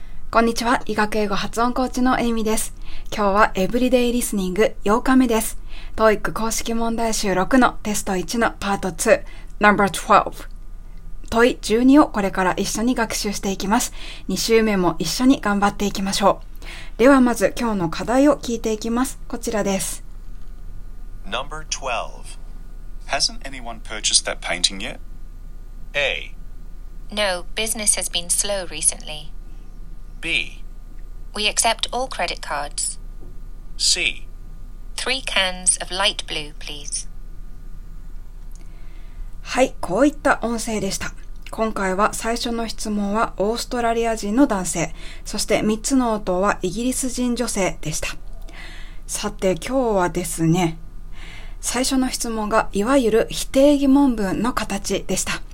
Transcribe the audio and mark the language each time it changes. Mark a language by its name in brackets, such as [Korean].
[Japanese] こんにちは、医学英語発音コーチのエイミです。今日はエブリデイリスニング8日目です。 TOEIC 公式問題集6のテスト1のパート2 No.12 問い12をこれから一緒に学習していきます。 2週目も一緒に頑張っていきましょう。ではまず今日の課題を聞いていきます。こちらです。 [English] No.12 Hasn't anyone purchased that painting yet? A. No, business has been slow recently. B. We accept all credit cards. C. 3 cans of light blue, please. [Japanese] はい、こういった音声でした。今回は最初の質問はオーストラリア人の男性、そして3つの音はイギリス人女性でした。さて今日はですね、最初の質問がいわゆる否定疑問文の形でした。